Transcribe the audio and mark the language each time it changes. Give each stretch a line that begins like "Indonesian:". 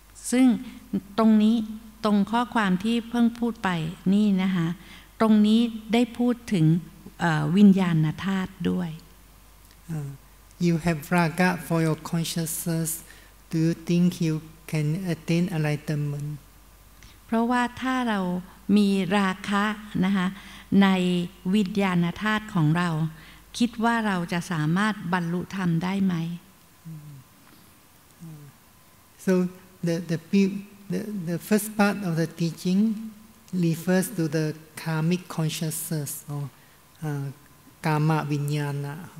Thai: ซึ่งตรงนี้ตรงข้อความที่เพิ่งพูดไปนี่นะคะตรงนี้ได้พูดถึงวิญญาณธาตุด้วย
English: You have raga for your consciousness do you think youcan attain enlightenment
Thai: เพราะว่าถ้าเรามีราคะนะคะในวิญญาณธาตุของเราคิดว่าเราจะสามารถบรรลุธรรมได้ไหม
English: So the first part of the teaching refers to the karmic consciousness or karma vijnana